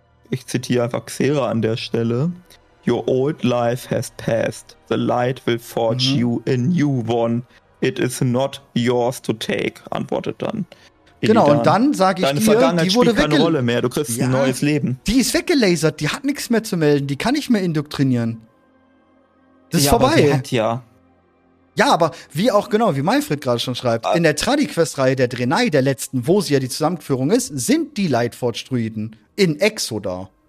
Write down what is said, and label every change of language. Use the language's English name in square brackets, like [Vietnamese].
[German] Ich zitiere einfach Xera an der Stelle. [English] Your old life has passed. The light will forge you a new one. It is not yours to take, [German] antwortet dann. Genau, und dann sage ich dir, die wurde spielt keine Rolle mehr, du kriegst ein neues Leben. Die ist weggelasert, die hat nichts mehr zu melden, die kann nicht mehr indoktrinieren. Das ist vorbei. Aber sie hat ja. Ja, aber wie auch genau, wie Manfred gerade schon schreibt, in der Tradi-Quest-Reihe der Draenei, der letzten, wo sie ja die Zusammenführung ist, sind die Lightforge-Druiden in Exodar.